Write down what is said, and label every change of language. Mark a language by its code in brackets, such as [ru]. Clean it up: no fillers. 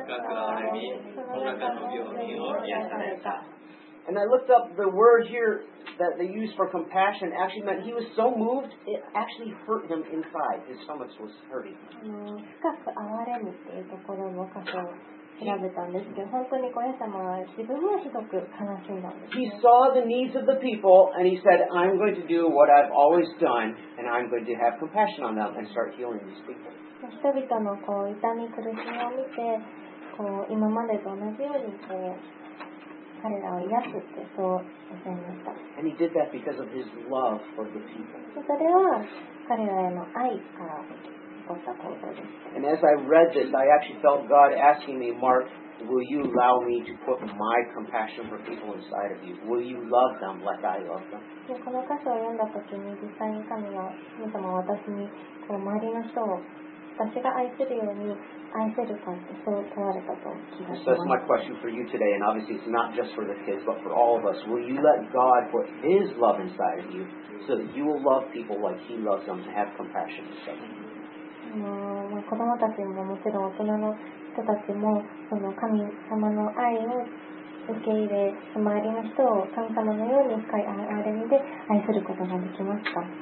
[ja] 上がり、その中の病人を癒された。 [en] And I looked up the word here that they used for compassion actually meant he was so moved it actually hurt him inside. His stomach was hurting. [ja] 深く哀れむっていうところの箇所を調べたんですけど、本当にこれ様は自分もひどく悲しんだんです。 [en] He saw the needs of the people and he said, I'm going to do what I've always done and I'm going to have compassion on them and start healing these people. [ja] 人々のこう痛み苦しみを見て、こう今までと同じようにして彼らを癒すってそう教えました。 [en] And he did that because of his love for the people. [ja] それは彼らへの愛から起こった行動です。 [en] And as I read this, I actually felt God asking me, Mark, will you allow me to put my compassion for people inside of you? Will you love them like I love them? [ja] この箇所を読んだ時に実際に神様は私にこう周りの人を私が愛するように愛せるかってそう問われたと聞きました。 [en] So that's my question for you today, and obviously it's not just for the kids, but for all of us. Will you let God put His love inside of you so that you will love people like He loves them and have compassion for them? [ja] 子供たちももちろん大人の人たちもその神様の愛を受け入れ、周りの人を神様のように深い憐れみで愛することができますか。